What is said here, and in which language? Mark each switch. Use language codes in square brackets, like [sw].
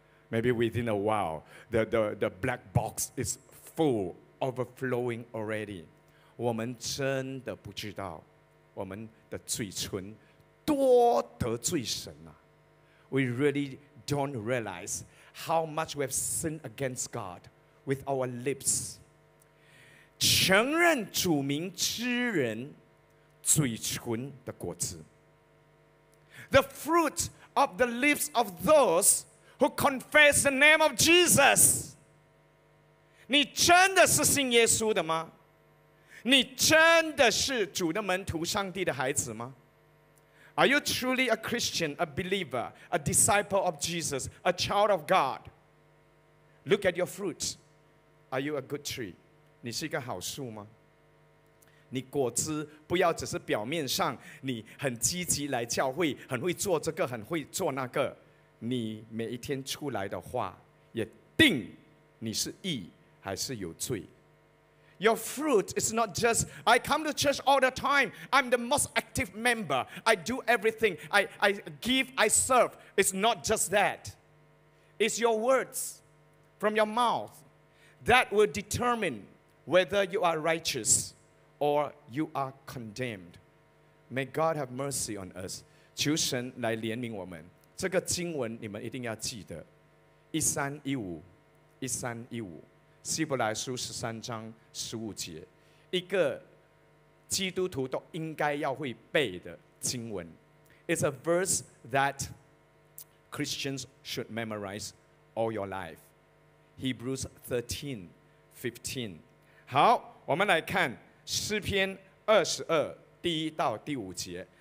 [en] Maybe within a while the black box is full Overflowing already [zh] 我们真的不知道我们的嘴唇多得罪神啊 [en] We really don't realizeHow much we have sinned against God with our lips. [zh] 承认主名之人嘴唇的果子。 [en] The fruit of the lips of those who confess the name of Jesus. [zh] 你真的是信耶稣的吗？你真的是主的门徒，上帝的孩子吗？ [en] Are you truly a Christian, a believer, a disciple of Jesus, a child of God? Look at your fruit. Are you a good tree? [zh] 你是一个好树吗？你果子不要只是表面上你很积极来教会，很会做这个，很会做那个。你每一天出来的话，也定你是义还是有罪。 [en] Your fruit is not just, I come to church all the time. I'm the most active member. I do everything. I give, I serve. It's not just that. It's your words from your mouth that will determine whether you are righteous or you are condemned. May God have mercy on us. [zh] 求神来怜悯我们。这个经文你们一定要记得。一三一五，一三一五，希伯来书十三章十五节，一个基督徒都应该要会背的经文。 [en] It's a verse that Christians should memorize all your life. Hebrews 13:15. [zh] 好，我们来看诗篇二十二第一到第五节。